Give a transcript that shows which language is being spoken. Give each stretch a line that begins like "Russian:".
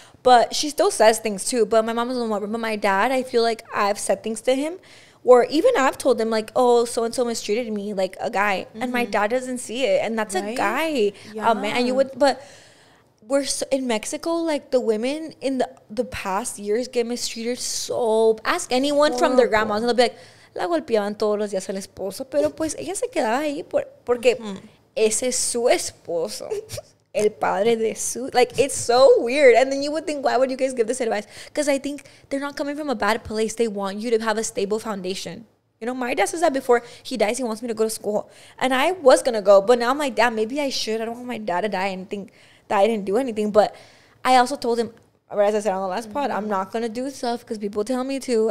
English: But she still says things too. But my mom is a little more, but my dad, I feel like I've said things to him, or even I've told him, like, oh, so and so mistreated me, like a guy, and my dad doesn't see it, and that's right? A guy, yeah. A man, and you would, but. We're so, in Mexico, like, the women in the past years get mistreated so... Ask anyone horrible. From their grandmas, and they'll be like,
Spanish: la golpeaban todos los días al esposo, pero pues ella se quedaba ahí porque ese es su esposo, el padre de su...
English: Like, it's so weird. And then you would think, why would you guys give this advice? Because I think they're not coming from a bad place. They want you to have a stable foundation. You know, my dad says that before he dies, he wants me to go to school. And I was going to go, but now I'm like, dad, maybe I should. I don't want my dad to die and think... that I didn't do anything. But I also told him, as I said on the last pod, I'm not gonna do stuff because people tell me to.